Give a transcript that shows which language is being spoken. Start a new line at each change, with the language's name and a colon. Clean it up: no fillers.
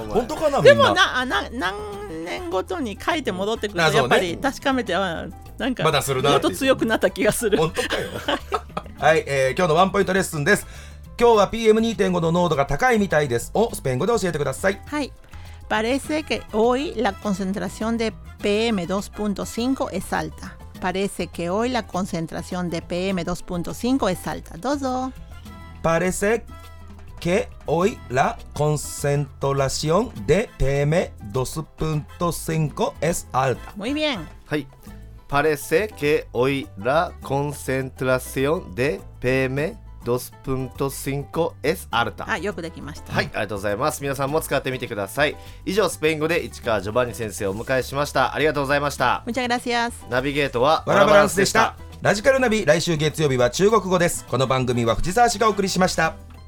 Japanese: 本当かな、でもな、あ、な、何年ごとに書いて戻ってくると、やっぱり確かめては、なんか、まだするな、もっと強くなった気がする。本当かよ。はい、今日のワンポイントレッスンです。今日は PM2.5 の濃度が高いみたいです。をスペイン語で教えてください。はい。
Spanish: Parece que hoy la concentración de PM2.5 es alta. Parece que hoy la concentración de PM2.5 es alta.
Japanese: Dozo.
Spanish: Parece que hoy la concentración de PM2.5 es alta. Muy bien. Hi. Parece que hoy la concentración de PM2.5 es alta.
Japanese: Ah, よくできました。はい、ありがとうございます。皆さんも使ってみてください。以上、スペイン語で市川ジョバンニ先生をお迎えしました。ありがとうございました。
Spanish: Muchas gracias.
Japanese: ナビゲートはワラバランスでした。ラジカルナビ、来週月曜日は中国語です。この番組は藤沢氏がお送りしました。